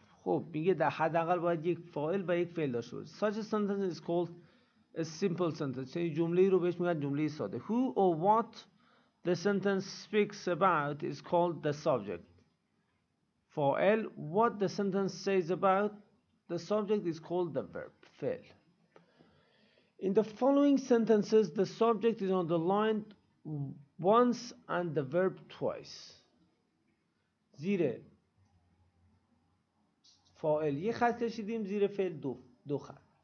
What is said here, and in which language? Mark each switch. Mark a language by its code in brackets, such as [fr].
[fa] خب میگه در حد اقل باید یک فاعل و یک فعل داشته باشه. [en] Such a sentence is called a simple sentence. [fa] چنین جمله رو بهش میگن جمله ساده. [en] Who or what the sentence speaks about is called the subject. [fa] فاعل. [en] What the sentence says about the subject is called the verb. [fa] فعل. [en] In the following sentences, the subject is underlined once and the verb twice. [fa] زیر فاعل یه خط کشیدیم، زیر فعل دو خط.